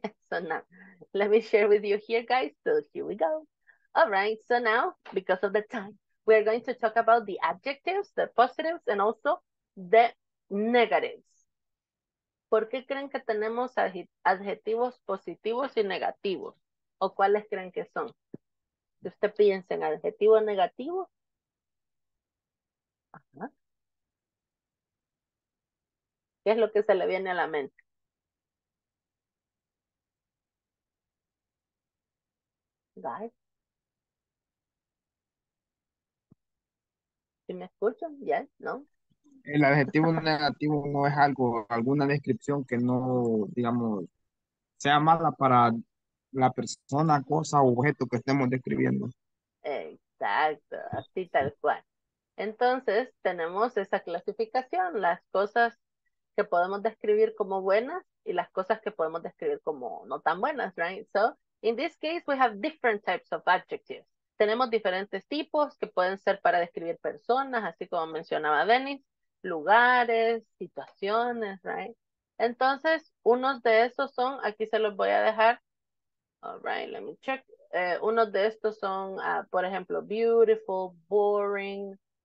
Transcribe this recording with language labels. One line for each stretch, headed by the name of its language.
English: So now, let me share with you here, guys. So here we go. All right, so now, because of the time, we are going to talk about the adjectives, the positives, and also the negatives.
Spanish: ¿Por qué creen que tenemos adjetivos positivos y negativos? ¿O cuáles creen que son? Si usted piensa en adjetivo negativo. Ajá. ¿Qué es lo que se le viene a la mente?
English: ¿Guys?
Spanish: ¿Sí me escuchan? ¿Yes? ¿No? El adjetivo negativo no es algo, alguna descripción que no, digamos, sea mala para la persona, cosa o objeto que estemos describiendo. Exacto, así tal cual. Entonces, tenemos esa clasificación, las cosas que podemos describir como buenas y las cosas que podemos describir como no tan buenas, right?
English: So, in this case, we have different types of adjectives.
Spanish: Tenemos diferentes tipos que pueden ser para describir personas, así como mencionaba Dennis, lugares, situaciones, right? Entonces, unos de estos son, aquí se los voy a dejar,
English: all right, let me check,
Spanish: unos de estos son, por ejemplo, beautiful, boring,